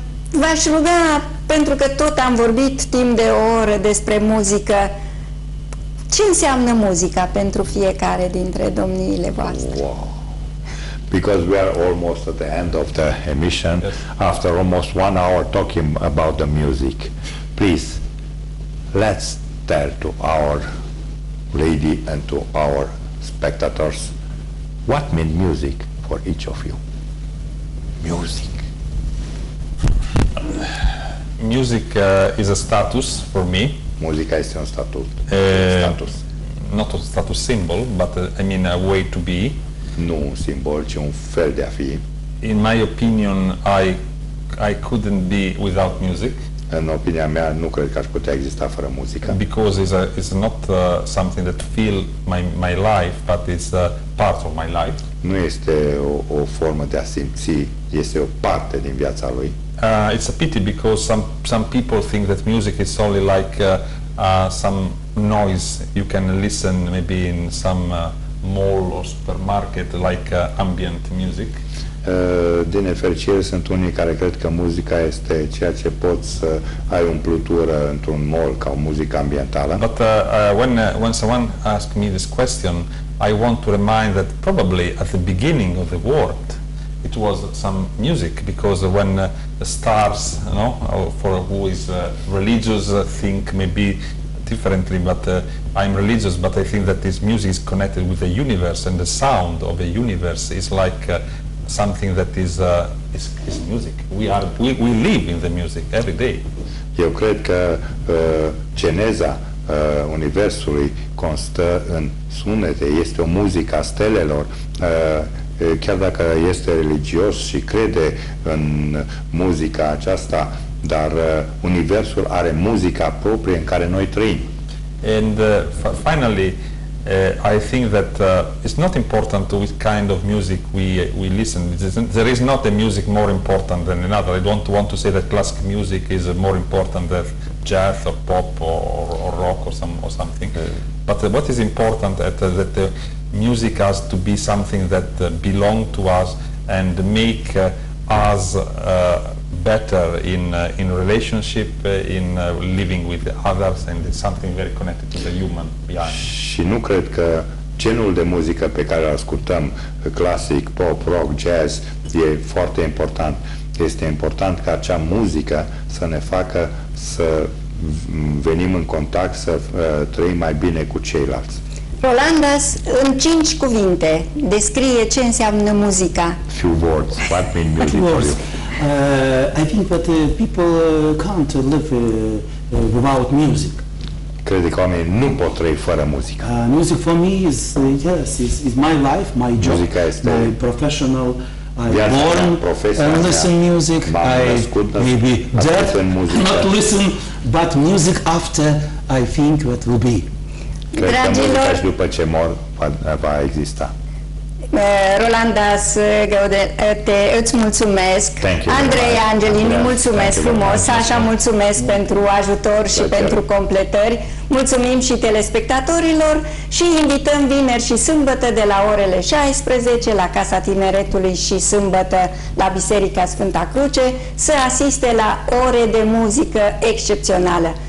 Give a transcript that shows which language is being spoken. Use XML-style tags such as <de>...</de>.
<ro>V-aș ruga, pentru că tot am vorbit timp de o oră despre muzică, ce înseamnă muzica pentru fiecare dintre domniile voastre? Wow.</ro> <en>Because we are almost at the end of the emission, yes. After almost 1 hour talking about the music, please, let's tell to our lady and to our spectators, what means music for each of you? Music. Music is a status for me.</en> <ro>Musica este un statut.</ro> <en>Status. Not a status symbol, but I mean a way to be.</en> <ro>Nu un simbol, ci un fel de a fi.</ro> <en>In my opinion, I couldn't be without music.</en> <ro>În opinia mea, nu cred că aș putea exista fără muzică.</ro> <en>Because it's not something that fill my life, but it's a part of my life.</en> <ro>Nu este o formă de a simți, este o parte din viața lui.</ro> <en>It's a pity because some people think that music is only like some noise you can listen maybe in some mall or supermarket, like ambient music.</en> <ro>Din nefericire, sunt unii care cred că muzica este ceea ce poți să ai umplutură într-un mall ca o muzică ambientală.</ro> <en>But when someone asked me this question, I want to remind that probably at the beginning of the world it was some music, because when the stars, you know, for who is religious think maybe differently, but I'm religious, but I think that this music is connected with the universe, and the sound of the universe is like something that is music. We live in the music every day.</en> <ro>Eu cred că geneza universului constă în sunete, este o muzică a stelelor. Chiar dacă este religios și crede în muzica aceasta, dar universul are muzica proprie în care noi trăim.</ro> <en>And finally, I think that it's not important which kind of music we listen. There is not a music more important than another. I don't want to say that classical music is more important than jazz or pop or rock or something. But what is important is that the music has to be something that belong to us and make us better in relationship, in living with others, and it's something very connected to the human behind.</en> <ro>Și nu cred că genul de muzică pe care îl ascultăm, clasic, pop, rock, jazz, e foarte important. Este important ca acea muzică să ne facă să venim în contact, să trăim mai bine cu ceilalți. Rolandas, în 5 cuvinte, descrie ce înseamnă muzica.</ro> <en>Few words, what mean music for you? I think that people can't live without music.</en> <ro>Cred că oamenii nu pot trăi fără muzică.</ro> <en>Music for me is is my life, my job.</en> <ro>Muzica este</ro> <en>my professional. I born and listen music. Maybe death not listen, but music after I think what will be.</en> <ro>Cred că muzica și după ce mor va exista. Rolandas Găudete, îți mulțumesc. Andrei Angelini, mulțumesc frumos. Sasha, mulțumesc pentru ajutor și pentru completări. Mulțumim și telespectatorilor și invităm vineri și sâmbătă de la orele 16 la Casa Tineretului și sâmbătă la Biserica Sfânta Cruce să asiste la ore de muzică excepțională.</ro>